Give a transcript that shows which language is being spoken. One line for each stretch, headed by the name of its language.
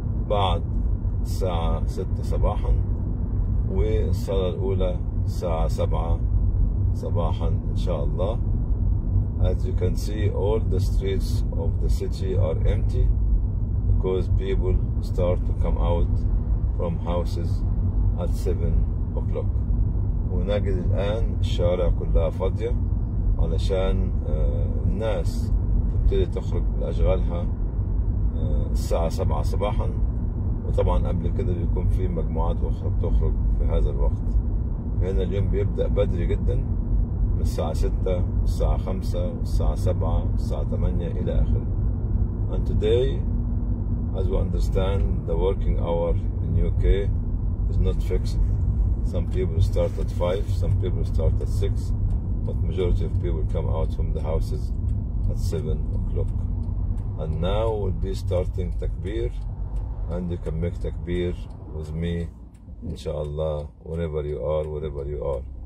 Arabic: بعد الساعة 6 صباحا، والصلاة الأولى الساعة 7 صباحا إن شاء الله.
English: As you can see, all the streets of the city are empty because people start to come out from houses at 7 o'clock.
Arabic: ونجد الآن الشارع كلها فاضية علشان الناس تبتدي تخرج لأشغالها الساعة 7 صباحا، وطبعا قبل كده بيكون في مجموعات أخرى بتخرج في هذا الوقت. هنا اليوم بيبدأ بدري جدا من الساعة 6 والساعة 5 والساعة 7 والساعة 8 إلى آخر.
English: And today, as we understand, the working hour in UK is not fixed. Some people start at 5, some people start at 6, but majority of people come out from the houses at 7 o'clock. And now we'll be starting takbir, and you can make takbir with me inshallah whenever you are, wherever you are.